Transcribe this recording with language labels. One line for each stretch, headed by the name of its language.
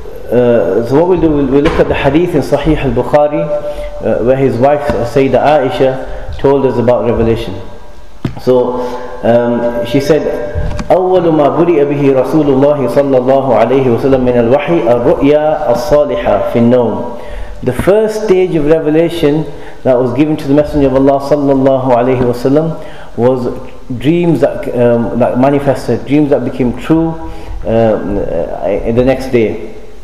English: So what we'll do, we'll look at the hadith in Sahih al-Bukhari, where his wife Sayyida Aisha told us about revelation. So she said,
Arabic: أول ما برئ به رسول الله صلى الله عليه وسلم من الوحي الرؤيا الصالحة في النوم.
English: The first stage of revelation that was given to the Messenger of Allah صلى الله عليه وسلم was dreams that manifested, dreams that became true in the next day.